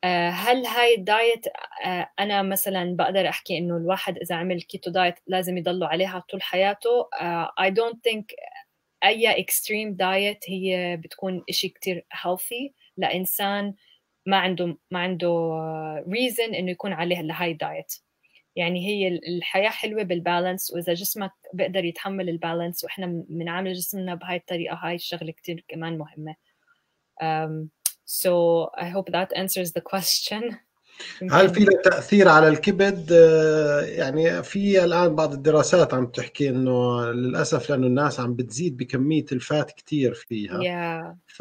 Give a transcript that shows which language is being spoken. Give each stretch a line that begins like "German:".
Arabic: هل هاي الدايت أنا مثلاً بقدر أحكي إنه الواحد إذا عمل كيتو دايت لازم يضلوا عليها طول حياته؟
English: I don't think
Arabic: أي
English: extreme diet
Arabic: هي بتكون إشي كتير healthy لإنسان ما عنده reason إنه يكون عليها هاي الدايت. يعني هي الحياة حلوة بالبالانس وإذا جسمك بقدر يتحمل البالانس وإحنا منعامل جسمنا بهاي الطريقة هاي الشغلة كتير كمان مهمة.
English: So I hope that answers the question.
Arabic: هل في له تأثير على الكبد؟ يعني في الآن بعض الدراسات عم تحكي إنه للأسف لأنه الناس عم بتزيد بكمية الفات كتير فيها.